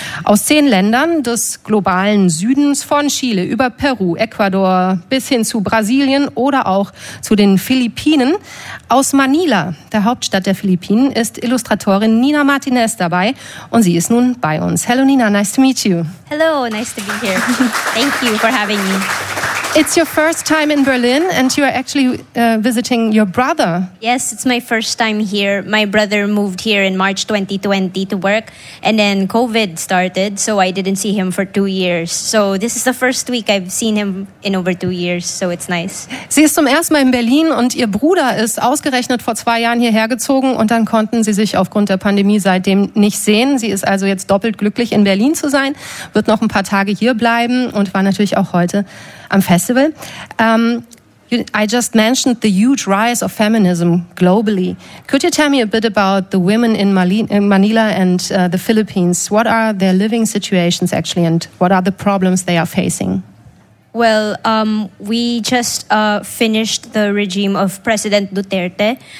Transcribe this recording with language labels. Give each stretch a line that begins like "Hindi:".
German: Aus 10 Ländern des globalen Südens, von Chile über Peru, Ecuador bis hin zu Brasilien oder auch zu den Philippinen. Aus Manila, der Hauptstadt der Philippinen, ist Illustratorin Nina Martinez dabei und sie ist nun bei uns.
English: Hello Nina, nice to meet you. Hello, nice to be here. Thank you for having me. It's your first time in Berlin, and you are actually visiting your brother. Yes, it's my first time here. My brother moved here in March 2020 to work, and then COVID started, so I didn't see him for 2 years. So this is the first week I've seen him in over 2 years, so it's nice.
German: Sie ist zum ersten Mal in Berlin, und ihr Bruder ist ausgerechnet vor 2 Jahren hierher gezogen, und dann konnten sie sich aufgrund der Pandemie seitdem nicht sehen. Sie ist also jetzt doppelt glücklich, in Berlin zu sein, wird noch ein paar Tage hier bleiben und war natürlich auch heute am Festival.
English: I just mentioned the huge rise of feminism globally. Could you tell me a bit about the women in Manila and the Philippines? What are their living situations actually, and what are the problems they are facing? Well, we just finished the regime of President Duterte.